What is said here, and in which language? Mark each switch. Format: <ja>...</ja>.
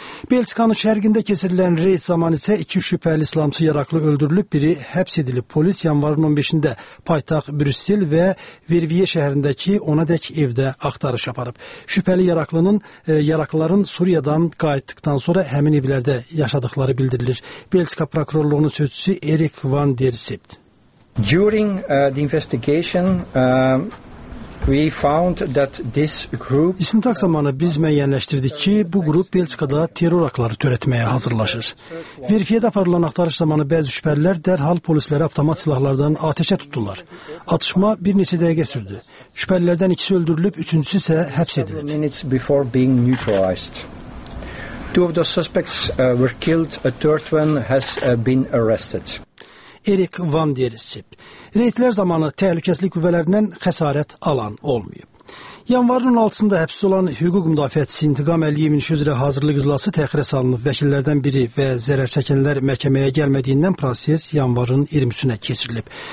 <az>Belçikanın şərqində keçirilən reyd zamanı isə iki şübhəli islamçı yaraqlı öldürülüb, biri həbs edilib. Polis yanvarın 15-də paytaxt Brüssel və Verviye şəhərindəki ona dək evdə axtarış aparıb. Şübhəli yaraqlının yaraqlıların Suriyadan qayıtdıqdan sonra həmin evlərdə yaşadıqları bildirilir. Belçika prokurorluğunun sözçüsü Erik van der Sipt.</az> <en>During the investigation We found that this group</en> <az>İstintaq zamanı biz müəyyənləşdirdik ki, bu qrup Belçikada terror aktları törətməyə hazırlaşır. Verifiyədə aparılan axtarış zamanı bəzi şübhəlilər dərhal polislərə avtomat silahlardan atəşə tutdular. Atışma bir neçə dəqiqə sürdü. Şübhəlilərdən ikisi öldürülüb, üçüncüsü isə həbs edilib.</az> <en>Two of the suspects were killed, a third one has been arrested.</en> <az>Erik van der Sip. Reydlər zamanı təhlükəsizlik qüvvələrindən xəsarət alan olmayıb. Yanvarın 16-sında həbs olan hüquq müdafiəçisi İntiqam Əliyevin iş üzrə hazırlıq iclası təxirə salınıb. Vəkillərdən biri və zərər çəkənlər məhkəməyə gəlmədiyindən proses yanvarın 23-ünə keçirilib.</az>